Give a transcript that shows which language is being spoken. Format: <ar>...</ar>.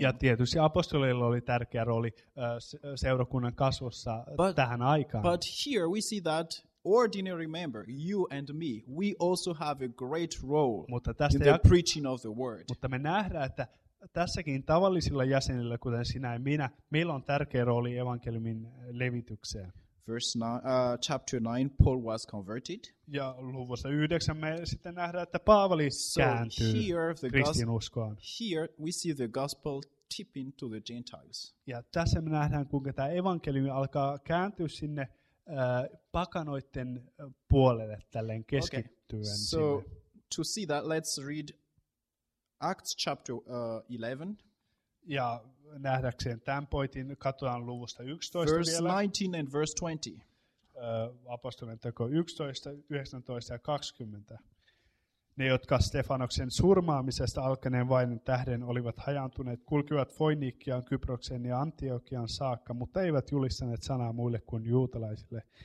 <fi>Ja tietysti apostoleilla oli tärkeä rooli seurakunnan kasvussa</fi> <en>but,</en> <fi>tähän aikaan.</fi> <en>But here we see that ordinary member, you and me, we also have a great role in the preaching of the word.</en> <fi>Mutta me nähdään, että tässäkin tavallisilla jäsenillä, kuten sinä ja minä, meillä on tärkeä rooli evankeliumin levitykseen.</fi> <en>Verse chapter 9, Paul was converted.</en> <fi>Ja luvussa 9 me sitten nähdään, että Paavali kääntyy kristinuskoon.</fi> <en>Here we see the gospel tipping to the Gentiles.</en> <fi>Ja tässä me nähdään, kuinka tämä evankeliumi alkaa kääntyä sinne pakanoitten puolelle tälleen keskittyen.</fi> <en>Okay. So to see that, let's read Acts chapter 11.</en> <fi>Ja nähdäkseen tämän pointin, katsotaan luvusta 11</fi> <en>verse</en> <fi>vielä.</fi> <en>Verse 19 and verse 20.</en> <fi>Apostolien teko 11, 19 ja 20. Ne, jotka Stefanoksen surmaamisesta alkaneen vainon tähden olivat hajaantuneet, kulkivat Foiniikkiaan, Kyprokseen ja Antiokiaan saakka, mutta eivät julistaneet sanaa muille kuin juutalaisille.</fi>